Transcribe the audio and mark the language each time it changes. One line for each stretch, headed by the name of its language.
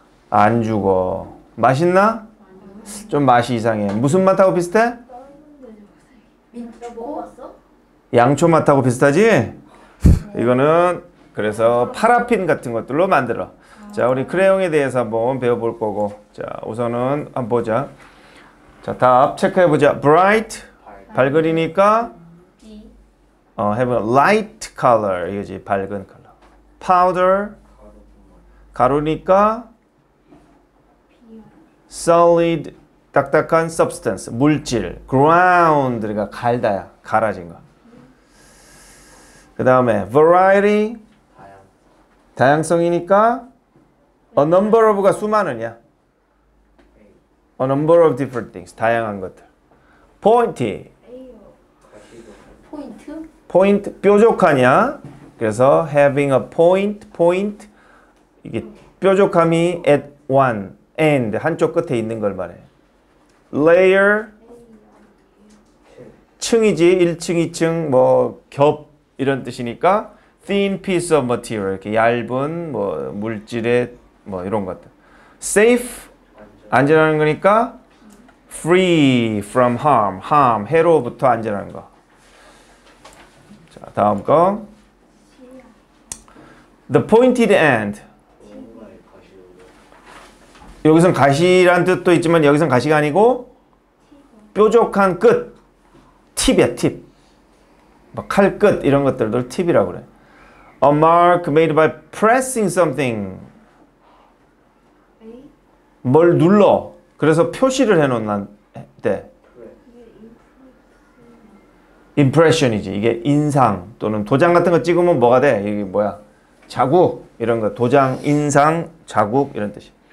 Korean: 안 죽어. 맛있나? 좀 맛이 이상해. 무슨 맛하고 비슷해? 민초 먹었어? 양초 맛하고 비슷하지? 이거는 그래서 파라핀 같은 것들로 만들어. 자, 우리 크레용에 대해서 한번 배워볼 거고. 자, 우선은 한번 보자. 자, 답 체크해보자.
English: Bright,
Korean: 밝으니까
English: have a light color,
Korean: 이거지, 밝은 컬러. Powder, 가루니까 solid, 딱딱한 substance, 물질, ground, 그러니까 갈다야, 갈아진 거. 그 다음에 variety, 다양성이니까 a number of가 수많으냐.
English: a number of different things, 다양한 것들. pointy, point,
Korean: 뾰족하냐. 그래서
English: having a point,
Korean: point, 이게 뾰족함이 at one, end, 한쪽 끝에 있는 걸 말해. layer, 층이지, 1층, 2층, 뭐 겹 이런 뜻이니까
English: thin piece of material,
Korean: 이렇게 얇은 뭐 물질의 뭐 이런 것들. safe, 안전한 거니까
English: free from harm,
Korean: harm, 해로부터 안전한 거. 자, 다음 거.
English: the pointed end.
Korean: 여기선 가시란 뜻도 있지만 여기선 가시가 아니고 뾰족한 끝, 팁이야, 팁. 막 칼 끝 이런 것들도 팁이라고 그래.
English: A mark made by pressing something.
Korean: 뭘 눌러. 그래서 표시를 해놓는데. Impression이지. 이게 인상 또는 도장 같은 거 찍으면 뭐가 돼? 이게 뭐야? 자국 이런 거. 도장, 인상, 자국 이런 뜻이.